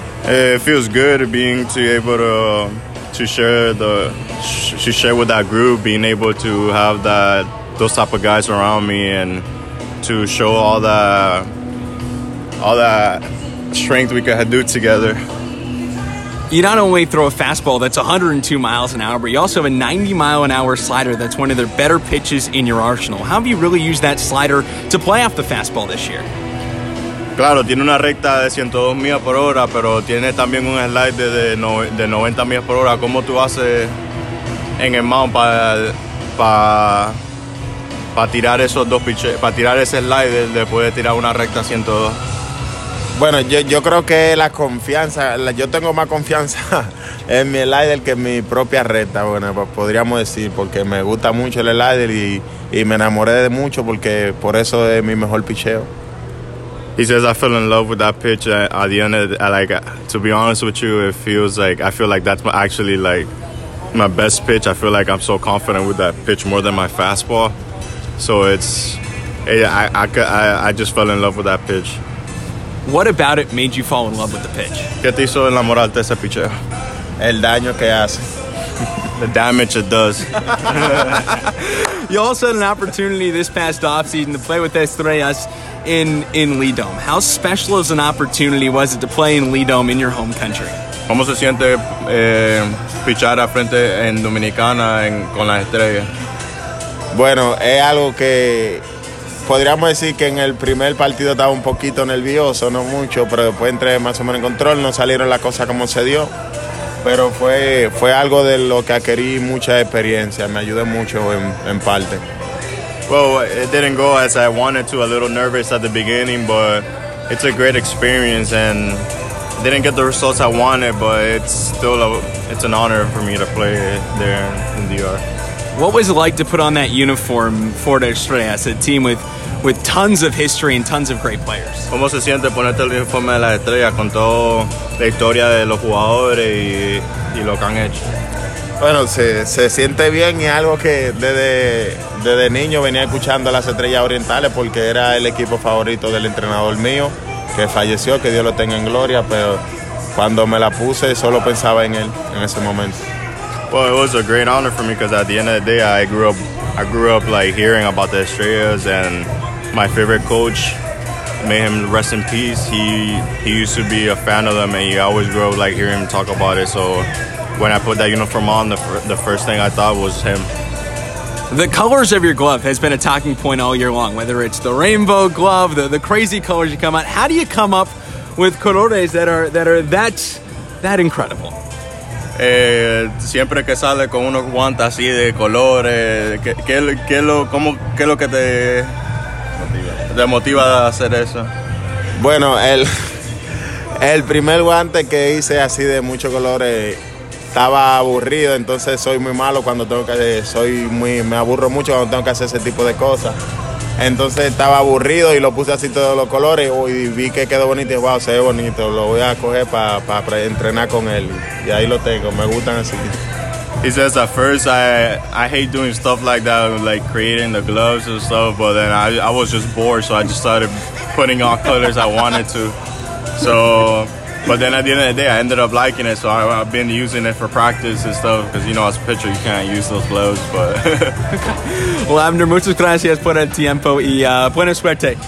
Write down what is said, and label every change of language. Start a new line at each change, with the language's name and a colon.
English: It feels good being able to share with that group, being able to have those type of guys around me and to show all that strength we could do together. You not only throw a fastball that's 102 miles an hour, but you also have a 90-mile-an-hour slider that's one of their better pitches in your arsenal. How have you really used that slider to play off the fastball this year?
Spanish: Claro, tiene una recta de 102 millas por hora, pero tiene también un slide de 90 millas por hora. ¿Cómo tú haces en el mound para tirar esos dos piches, para tirar ese slide después de tirar una recta 102? Bueno, yo creo que la confianza, yo tengo más confianza en mi slider que en mi propia recta, bueno, podríamos decir, porque me gusta mucho el slider y me enamoré de mucho porque por eso es mi mejor picheo.
English: He says, I fell in love with that pitch at the end of the, like, to be honest with you, it feels like, I feel like that's actually, like, my best pitch. I feel like I'm so confident with that pitch more than my fastball. So I just fell in love with that pitch. What about it made you fall in love with the pitch?
Spanish: ¿Qué te hizo enamorar de ese pitcher? El daño que hace.
English: The damage it does. You also had an opportunity this past offseason to play with Estrellas in Lee Dome. How special of an opportunity was it to play in Lee Dome in your home country?
Spanish: ¿Cómo se siente pichar a frente en Dominicana con las Estrellas? Bueno, es algo que podríamos decir que en el primer partido estaba un poquito nervioso, no mucho, pero después entré más o menos en control, no salieron las cosas como se dio. Pero fue algo de lo que adquirí mucha experiencia, me ayudó mucho en parte.
English: Well, it didn't go as I wanted to, a little nervous at the beginning, but it's a great experience and didn't get the results I wanted, but it's an honor for me to play there in DR. What was it like to put on that uniform for the Estrellas, a team with tons of history and tons of great players?
Spanish: ¿Cómo se siente ponerte el uniforme de la Estrella con toda la historia de los jugadores y lo que han hecho? Bueno, se siente bien y algo que desde niño venía escuchando a las Estrellas Orientales porque era el equipo favorito del entrenador mío, que falleció, que Dios lo tenga en gloria, pero cuando me la puse solo pensaba en él en ese momento.
English: Well, it was a great honor for me because at the end of the day, I grew up like hearing about the Estrellas, and my favorite coach, may him rest in peace. He used to be a fan of them, and he always grew up like hearing him talk about it. So when I put that uniform on, the first thing I thought was him. The colors of your glove has been a talking point all year long, whether it's the rainbow glove, the crazy colors you come out. How do you come up with colores that are that incredible?
Spanish: Siempre que sale con unos guantes así de colores, ¿qué es lo que te motiva a hacer eso? Bueno, el primer guante que hice así de muchos colores estaba aburrido, entonces me aburro mucho cuando tengo que hacer ese tipo de cosas. Entonces estaba aburrido y lo puse así todos los colores y vi que quedó bonito y wow, se ve bonito, lo voy a coger para entrenar con él. Y ahí lo tengo, me gustan así.
English: He says at first I hate doing stuff like that, like creating the gloves and stuff, but then I was just bored, so I just started putting all colors I wanted to. So, but then at the end of the day, I ended up liking it, so I've been using it for practice and stuff, because, you know, as a pitcher, you can't use those gloves, but...
Spanish: Well, Abner, muchas gracias por el tiempo y buena suerte